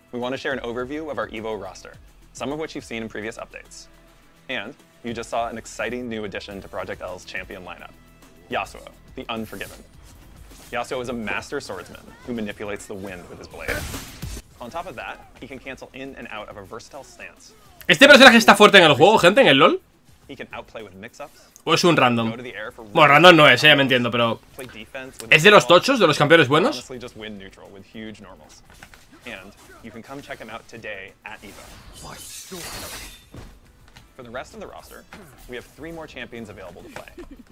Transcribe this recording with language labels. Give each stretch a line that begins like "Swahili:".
English: We want to share an overview of our Evo roster. Some of which you've seen in previous updates. And you just saw an exciting new addition to Project L's champion lineup, Yasuo, the Unforgiven. Yasuo is a master swordsman who manipulates the wind with his blade. On top of that, he can cancel in and out of a versatile stance.
Spanish: ¿Este personaje está fuerte en el juego, gente, en el LoL?
English: He can outplay with mix-ups.
Spanish: ¿O es un random? Bueno, random no es, ya me entiendo, pero... ¿es de los tochos, de los campeones buenos?
English: Honestly, just win neutral with huge normals. And you can come check him out today at Evo. For the rest of the roster, we have 3 more champions available to play.